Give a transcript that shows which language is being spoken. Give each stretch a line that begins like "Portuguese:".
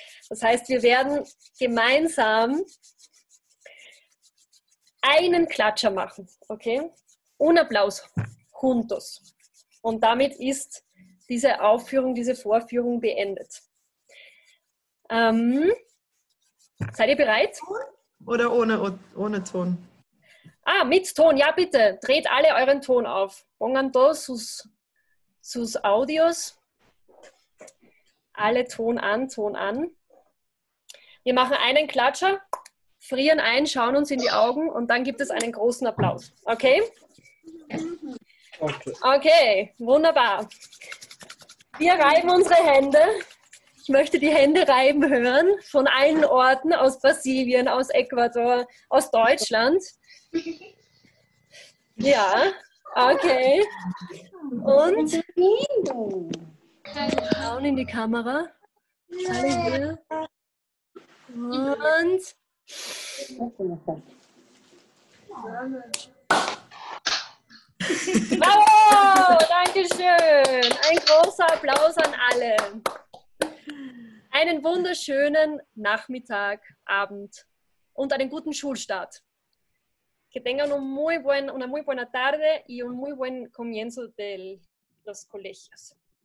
German: Das heißt, wir werden gemeinsam einen Klatscher machen. Okay?
Spanish: Un Applaus. Juntos.
German: Und damit ist diese Aufführung, diese Vorführung beendet. Seid ihr bereit? Oder ohne Ton? Ah, mit Ton, ja bitte. Dreht alle euren Ton auf.
Spanish: Pongan todos sus Audios.
German: Alle Ton an. Wir machen einen Klatscher, frieren ein, schauen uns in die Augen und dann gibt es einen großen Applaus. Okay? Okay, wunderbar. Wir reiben unsere Hände. Ich möchte die Hände reiben hören von allen Orten, aus Brasilien, aus Ecuador, aus Deutschland. Ja, okay. Und schauen in die Kamera. Und bravo! Dankeschön! Ein großer Applaus an alle! Einen wunderschönen Nachmittag, Abend und einen guten Schulstart.
Spanish: Que tengan una muy buena tarde y un muy buen comienzo de los colegios.